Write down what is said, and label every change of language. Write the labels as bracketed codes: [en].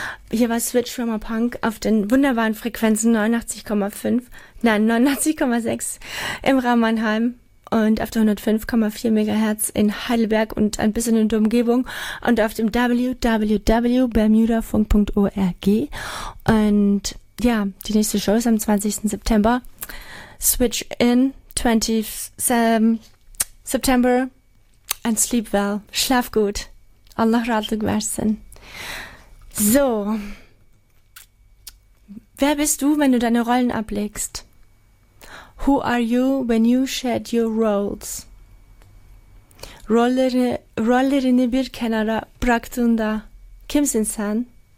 [de] Hier war Switch from a Punk auf den wunderbaren Frequenzen 89,5, nein, 89,6 im Rahmannheim und auf der 105,4 Megahertz in Heidelberg und ein bisschen in der Umgebung und auf dem www.bermudafunk.org. Und ja, die nächste Show ist am 20. September. Switch in, 20. [en] September and sleep well. [de] Schlaf gut. [tr] Allah ratlık versin. [de] So, wer bist du, wenn du deine Rollen ablegst? [en] Who are you when you shed your roles? [tr] Rollerini bir kenara bıraktığında kimsin sen?